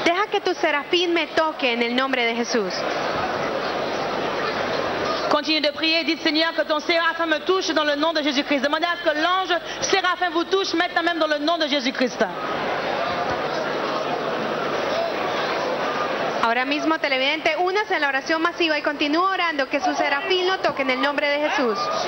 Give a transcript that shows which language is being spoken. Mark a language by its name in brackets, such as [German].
[Spanish] Que tu serafín me toque en el nombre de Jesús. [French] Continue de prier, dites Seigneur que ton séraphin me touche dans le nom de Jésus-Christ. Demandez à ce que l'ange séraphin vous touche maintenant même dans le nom de Jésus-Christ. [Spanish] Ahora mismo, televidente, únase en la oración masiva y continúa orando que su serafín lo toque en el nombre de Jesús.